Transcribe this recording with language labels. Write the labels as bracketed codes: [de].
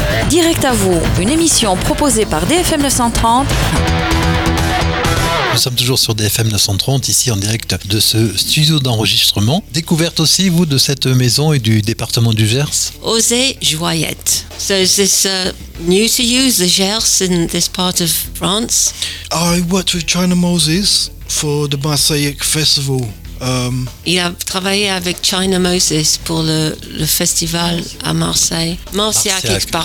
[fr] Direct à vous, une émission proposée par DFM 930. Nous sommes toujours sur DFM 930, ici en direct de ce studio d'enregistrement. Découverte aussi, vous, de cette maison et du département du Gers. Osez Joyette. [en] So is this new to you, the Gers in this part of France? I worked with China Moses for the Mosaic Festival. [fr] Il a travaillé avec China Moses pour le festival à Marseille. Marciac.